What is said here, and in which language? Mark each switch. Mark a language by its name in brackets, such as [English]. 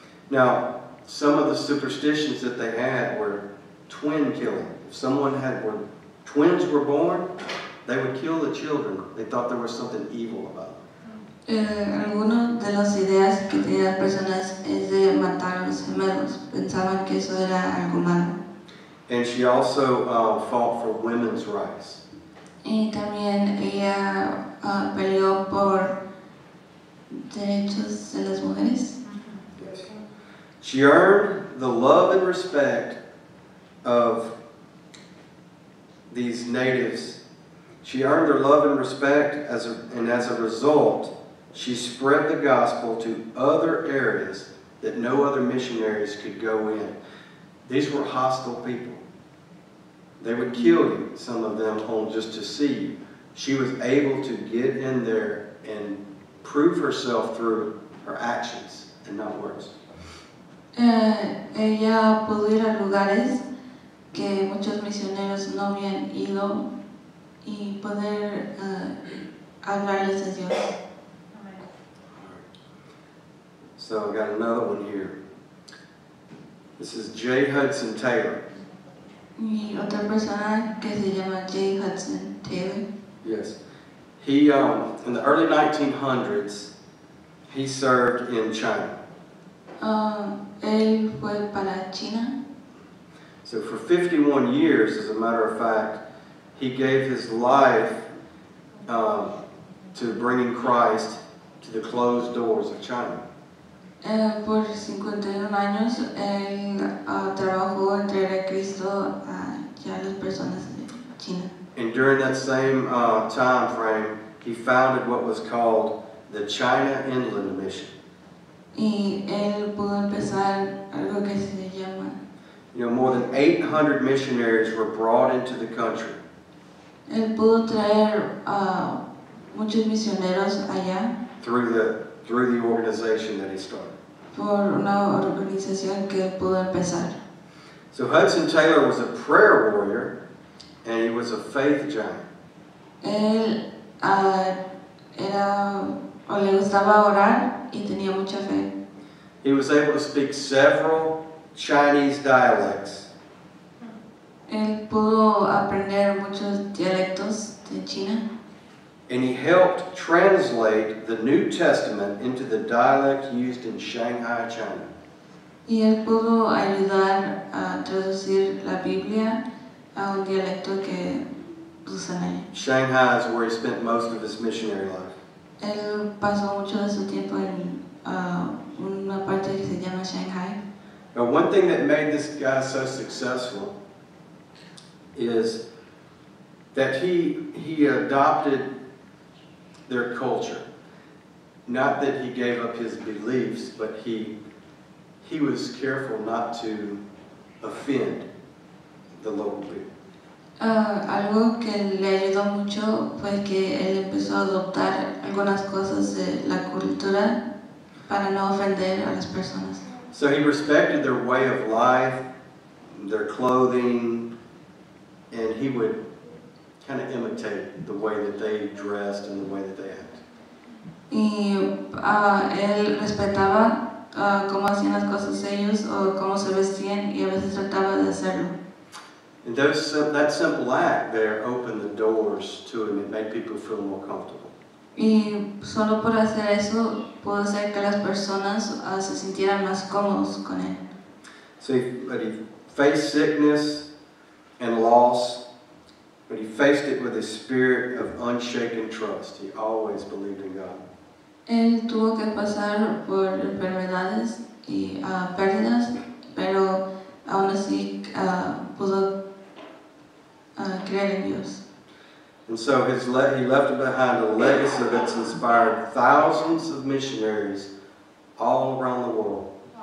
[English] Now, some of the superstitions that they had were twin killing. If someone had, when twins were born, they would kill the children. They thought there was something evil about them. [Spanish] Alguna de las ideas que tenían personas es de matar a los gemelos. Pensaban que eso era algo malo. [English] And she also fought for women's rights. [Spanish] Y también ella peleó por derechos de las mujeres. [English] She earned the love and respect of these natives. She earned their love and respect, as a result, she spread the gospel to other areas that no other missionaries could go in. These were hostile people. They would kill you, some of them, home just to see you. She was able to get in there and prove herself through her actions and not words. [Spanish] Ella pudo ir a lugares que muchos misioneros no habían ido y poder hablarles a Dios. [English] So I got another one here. This is Jay Hudson Taylor. [Spanish] Y otra persona que se llama Jay Hudson Taylor. [English] Yes. He, in the early 1900s, he served in China. [Spanish] Él fue para China. [English] So for 51 years, as a matter of fact, he gave his life to bringing Christ to the closed doors of China. [Spanish] Por 51 años, él trabajó en traer a Cristo a las personas de China. [English] And during that same time frame, he founded what was called the China Inland Mission. [Spanish] Y él pudo empezar algo que se llama. [English] You know, more than 800 missionaries were brought into the country. [Spanish] Él pudo traer muchos misioneros allá. [English] Through the organization that he started. [Spanish] Por una organización que él pudo empezar. [English] So Hudson Taylor was a prayer warrior, and he was a faith giant. [Spanish] Él era o le gustaba orar. Y tenía mucha fe. [English] He was able to speak several Chinese dialects. [Spanish] Él pudo aprender muchos dialectos de China. [English] And he helped translate the New Testament into the dialect used in Shanghai, China. [Spanish] Y él pudo ayudar a traducir la Biblia a un dialecto que usan ahí. [English] Shanghai is where he spent most of his missionary life. [Spanish] Él pasó mucho de su tiempo en una parte que se llama Shanghai. [English] Now, one thing that made this guy so successful is that he adopted their culture. Not that he gave up his beliefs, but he was careful not to offend the local people. [Spanish] Algo que le ayudó mucho fue que él empezó a adoptar algunas cosas de la cultura para no ofender a las personas. [English] So he respected their way of life, their clothing, and he would kind of imitate the way that they dressed and the way that they acted. [Spanish] Y él respetaba cómo hacían las cosas ellos o cómo se vestían y a veces trataba de hacerlo. [English] And that simple act there opened the doors to him. It made people feel more comfortable. [Spanish] Y solo por hacer eso, pudo hacer que las personas se sintieran más cómodos con él. [English] So he faced sickness and loss, but he faced it with a spirit of unshaken trust. He always believed in God. [Spanish] Él tuvo que pasar por enfermedades y pérdidas, pero aún así pudo creer en Dios. [English] And so he left behind a legacy that's inspired thousands of missionaries all around the world.